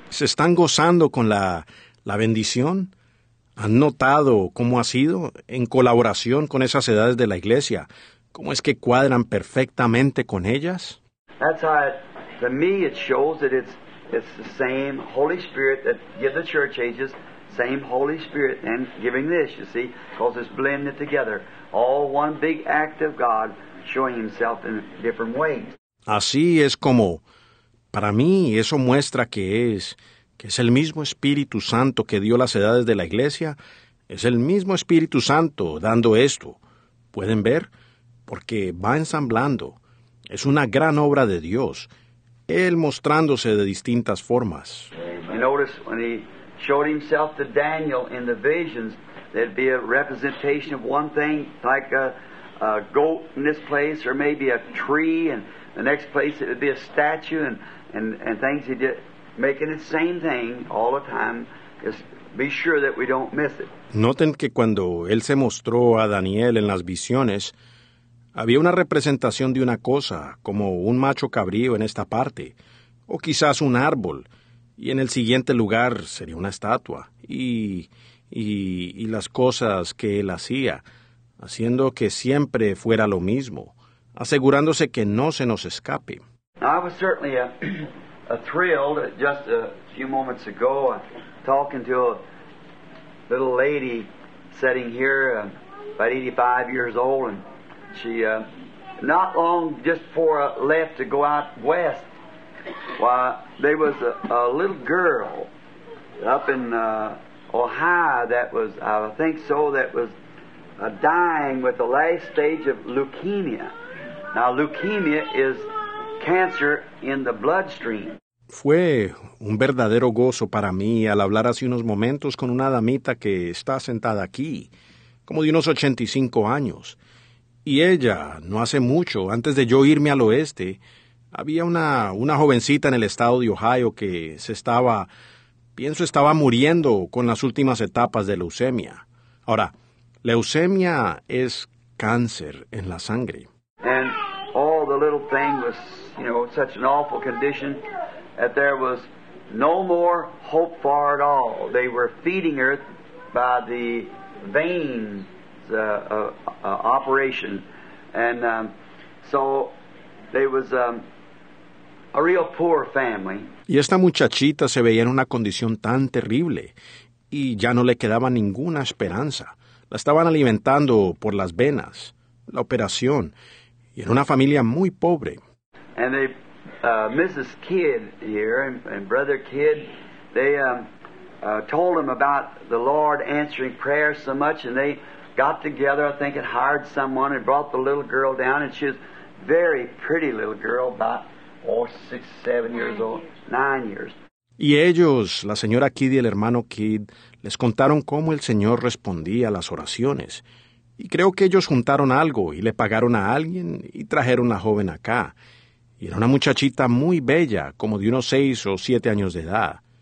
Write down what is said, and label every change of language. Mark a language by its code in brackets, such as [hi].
[es] ¿Se están gozando con la bendición? ¿Han notado cómo ha sido en colaboración con esas edades de la iglesia? ¿Cómo es que cuadran perfectamente con ellas? [en] That's how it, to me, it shows that it's the same Holy Spirit that give the church ages. Same Holy Spirit and giving this, you see, because it's blended together. All one big act of God showing Himself in different ways. [es] Así es como, para mí, eso muestra que es que es el mismo Espíritu Santo que dio las edades de la iglesia, es el mismo Espíritu Santo dando esto. ¿Pueden ver? Porque va ensamblando. Es una gran obra de Dios, Él mostrándose de distintas formas. [en] You notice when He showed Himself to Daniel in the visions, there'd be a representation of one thing, like a goat in this place, or maybe a tree, and the next place it would be a statue, and things He did, making the same thing all the time. Just be sure that we don't miss it. [es] Noten que cuando Él se mostró a Daniel en las visiones, había una representación de una cosa, como un macho cabrío en esta parte, o quizás un árbol, y en el siguiente lugar sería una estatua, y las cosas que Él hacía, haciendo que siempre fuera lo mismo, asegurándose que no se nos escape. [en] I was certainly a thrilled just a few moments ago, talking to a little lady sitting here, about 85 years old, and not long just before I left to go out west, why, there was a little girl up in Ohio that was, I think so, that was dying with the last stage of leukemia. Now, leukemia is cancer in the bloodstream. [es] Fue un verdadero gozo para mí al hablar hace unos momentos con una damita que está sentada aquí, como de unos 85 años. Y ella, no hace mucho, antes de yo irme al oeste, había una jovencita en el estado de Ohio que se estaba, pienso, estaba muriendo con las últimas etapas de leucemia. Ahora, leucemia es cáncer en la sangre. [en] And all the little thing was, you know, such an awful condition that there was no more hope for it all. They were feeding her by the vein. Operation, and so there was a real poor family. [es] Y esta muchachita se veía en una condición tan terrible, y ya no le quedaba ninguna esperanza. La estaban alimentando por las venas, la operación, y en una familia muy pobre. [en] And they, Mrs. Kidd here and Brother Kidd, they told him about the Lord answering prayer so much, and they got together, I think, and hired someone and brought the little girl down, and she was a very pretty little girl, about six, 7 years old, 9 years. [es] Y ellos, la señora Kidd y el hermano Kidd, les contaron cómo el Señor respondía a las oraciones. Y creo que ellos juntaron algo y le pagaron a alguien y trajeron a la joven acá. Y era una muchachita muy bella, como de unos 6 o 7 años de edad.